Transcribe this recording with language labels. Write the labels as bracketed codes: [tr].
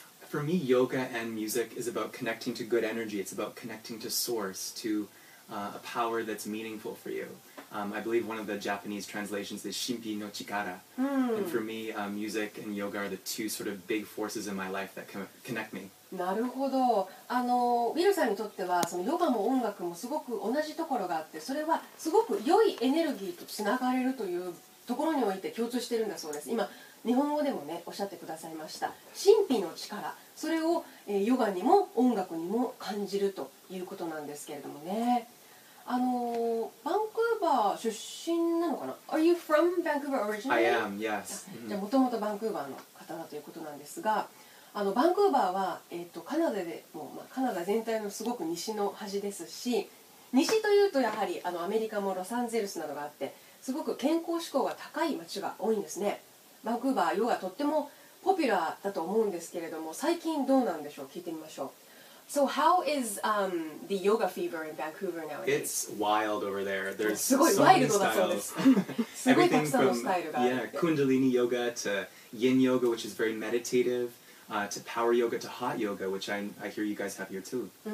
[en] For me, yoga and music is about connecting to good energy. It's about connecting to source, to a power that's meaningful for you. I believe one of the Japanese translations is Shinpi no Chikara. Mm. And for me, music and yoga are the two sort of big forces in my life that connect me. [ja] なるほど。ウィルさんにとってはそのヨガも音楽もすごく同じところがあって、それはすごく良いエネルギーとつながれるというところにおいて共通しているんだそうです。今、日本語でもね、おっしゃってくださいました。神秘の力、それを、ヨガにも音楽にも感じるということなんですけれどもね。バンクーバー出身なのかな [en] ?Are you from Vancouver originally? I am, yes. [ja] じゃあ、もともとバンクーバーの方だということなんですが、バンクーバーは、カナダでも、カナダ全体のすごく西の端ですし、西というとやはりアメリカもロサンゼルスなどがあって、すごく健康志向が高い街が多いんですね。バンクーバーヨガとってもポピュラーだと思うんですけれども、最近どうなんでしょう、聞いてみましょう。 [en] So how is the yoga fever in Vancouver nowadays? It's wild over there. There's [ja] すごいワイルドだそうです。すごいたくさんのスタイルがある。 [en] Yeah, kundalini yoga to yin yoga, which is very meditative, to power yoga to hot yoga, which I hear you guys have here too.